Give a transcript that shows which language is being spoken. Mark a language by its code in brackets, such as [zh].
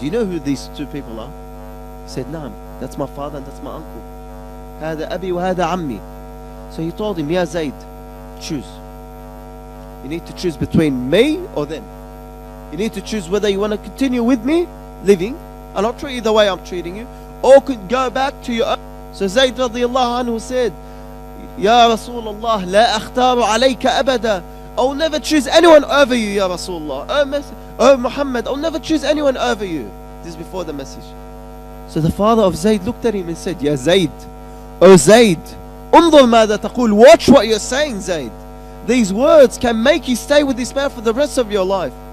[en] Do you know who these two people are? He said, نعم, that's my father and that's my uncle. [ar] هذا أبي وهذا عمي. [en] So he told him, يا زيد, choose. You need to choose between me or them. You need to choose whether you want to continue with me living, and I'll treat you the way I'm treating you, or could go back to your own. So [ar] زيد رضي الله عنه [en] said, [ar] يا رسول الله, لا أختار عليك أبدا. [en] I'll never choose anyone over you, يا رسول الله. Oh Muhammad, I'll never choose anyone over you. This is before the message. So the father of Zayd looked at him and said, Ya Zayd, oh Zayd, [ar] انظر ماذا تقول. [en] Watch what you're saying, Zayd. These words can make you stay with this man for the rest of your life.